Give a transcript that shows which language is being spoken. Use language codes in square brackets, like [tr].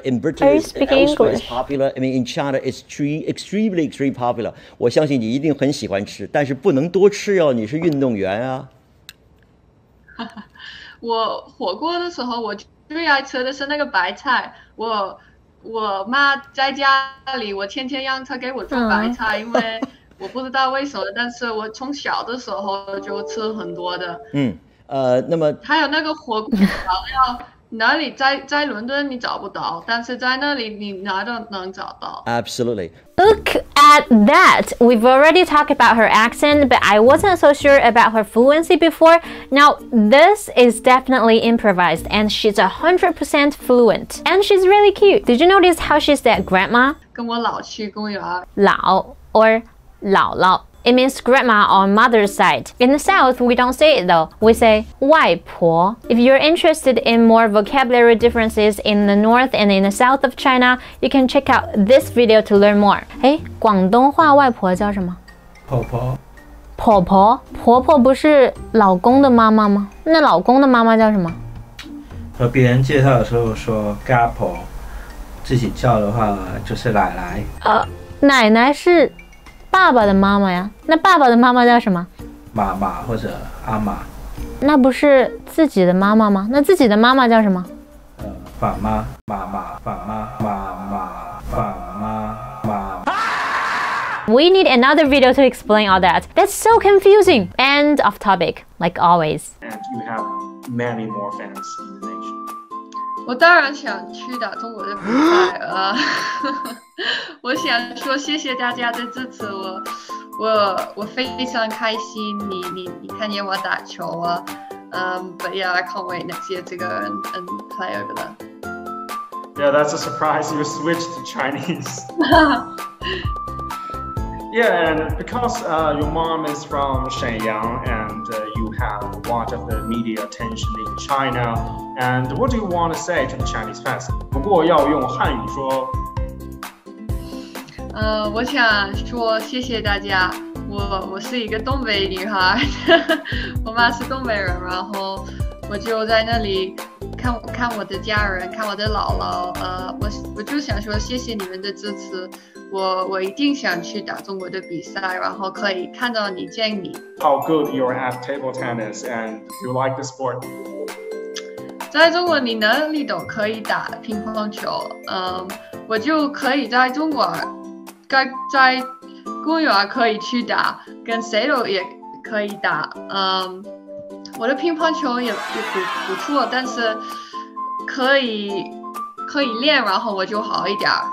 [en] In Britain, it's elsewhere, it's popular. I mean, in China, it's extremely, extremely popular. [zh] 我相信你一定很喜欢吃，但是不能多吃哦。你是运动员啊。我火锅的时候，我最爱吃的是那个白菜。我妈在家里，我天天让她给我做白菜，因为我不知道为什么，但是我从小的时候就吃很多的。嗯。那么还有那个火锅调料，哪里在伦敦你找不到，但是在那里你哪都能找到。 [en] Absolutely. Look at that. We've already talked about her accent, but I wasn't so sure about her fluency before. Now, this is definitely improvised, and she's 100% fluent. And she's really cute. Did you notice how she said grandma? [zh] 跟我老去公园。 [en] 老 or 姥姥。It means grandma on mother's side. In the South, we don't say it though. We say 外婆. If you're interested in more vocabulary differences in the North and in the South of China, you can check out this video to learn more. [zh] 诶，广东话外婆叫什么？婆婆。婆婆？婆婆不是老公的妈妈吗？那老公的妈妈叫什么？和别人介绍的时候说家婆，自己叫的话就是奶奶。奶奶是爸爸的妈妈呀，那爸爸的妈妈叫什么？妈妈或者阿妈。那不是自己的妈妈吗？那自己的妈妈叫什么？爸妈，妈妈，爸妈，妈妈，爸妈，妈妈。 [en] We need another video to explain all that. That's so confusing. And off topic, like always. And you have many more fans in the nation. [zh] 我当然想去打中国的比赛了。我想说谢谢大家的支持，我非常开心你看见我打球啊。 [en] But yeah, I can't wait to see you and play over there. Yeah, that's a surprise, you switched to Chinese. Yeah, and because your mom is from Shenyang and you have a lot of the media attention in China, and what do you want to say to the Chinese fans? [zh] 不过要用汉语说我想说谢谢大家，我是一个东北女孩，我妈是东北人，然后我就在那里看看我的家人，看我的姥姥，我就想说谢谢你们的支持，我一定想去打中国的比赛，然后可以看到你见你。 [en] How good you are at table tennis and you like the sport? [zh] 在中国你哪里都可以打乒乓球，我就可以在中国在姑爷可以去打，跟谁都也可以打。我的乒乓球也 不错，但是可以练，然后我就好一点。